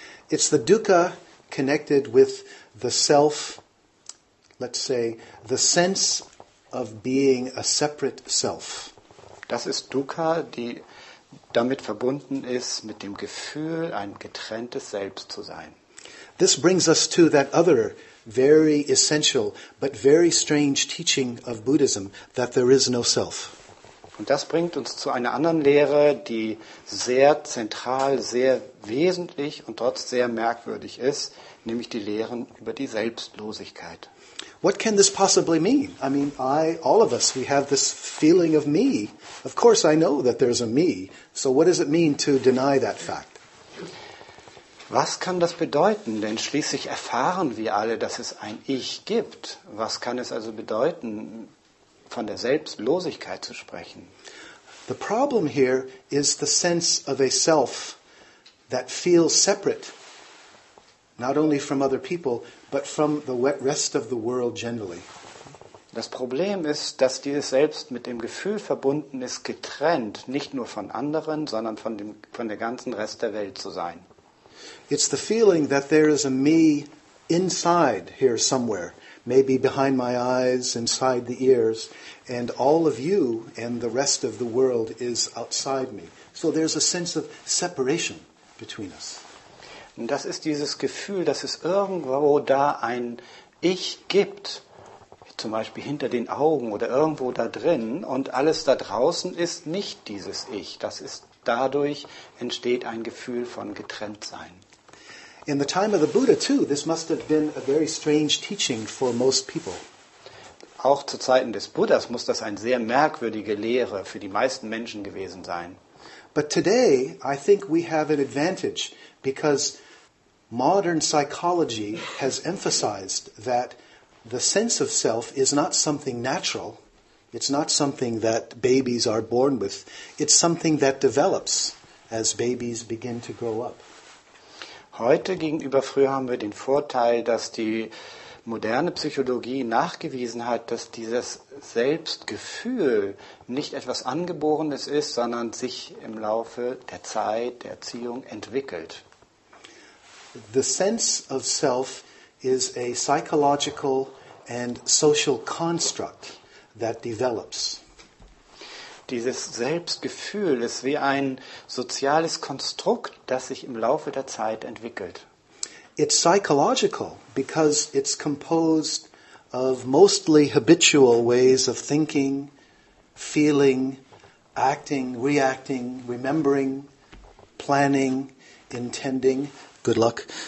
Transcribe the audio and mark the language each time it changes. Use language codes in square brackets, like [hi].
[en] It's the dukkha connected with the self, let's say, the sense of being a separate self. [de] Das ist Dukkha, die damit verbunden ist, mit dem Gefühl, ein getrenntes Selbst zu sein. [en] This brings us to that other very essential but very strange teaching of Buddhism, that there is no self. [de] Und das bringt uns zu einer anderen Lehre, die sehr zentral, sehr wesentlich und trotz sehr merkwürdig ist, nämlich die Lehren über die Selbstlosigkeit. [en] What can this possibly mean? I mean, all of us, we have this feeling of me. Of course I know that there's a me. So what does it mean to deny that fact? [de] Was kann das bedeuten? Denn schließlich erfahren wir alle, dass es ein Ich gibt. Was kann es also bedeuten, von der Selbstlosigkeit zu sprechen? [en] The problem here is the sense of a self that feels separate, not only from other people, but from the rest of the world generally. [de] Das Problem ist, dass dieses Selbst mit dem Gefühl verbunden ist, getrennt, nicht nur von anderen, sondern von der ganzen Rest der Welt zu sein. [en] It's the feeling that there is a me inside here somewhere, maybe behind my eyes, inside the ears, and all of you and the rest of the world is outside me. So there's a sense of separation between us. [de] Und das ist dieses Gefühl, dass es irgendwo da ein Ich gibt, zum Beispiel hinter den Augen oder irgendwo da drin, und alles da draußen ist nicht dieses Ich. Das ist dadurch entsteht ein Gefühl von Getrenntsein. [en] In the time of the Buddha too, this must have been a very strange teaching for most people. [de] Auch zu Zeiten des Buddhas muss das eine sehr merkwürdige Lehre für die meisten Menschen gewesen sein. [en] But today, I think we have an advantage because modern psychology has emphasized that the sense of self is not something natural. It's not something that babies are born with. It's something that develops as babies begin to grow up. [de] Heute gegenüber früher haben wir den Vorteil, dass die moderne Psychologie nachgewiesen hat, dass dieses Selbstgefühl nicht etwas Angeborenes ist, sondern sich im Laufe der Zeit, der Erziehung entwickelt. [en] The sense of self is a psychological and social construct that develops. [de] Dieses Selbstgefühl ist wie ein soziales Konstrukt, das sich im Laufe der Zeit entwickelt. [en] It's psychological because it's composed of mostly habitual ways of thinking, feeling, acting, reacting, remembering, planning, intending. Good luck.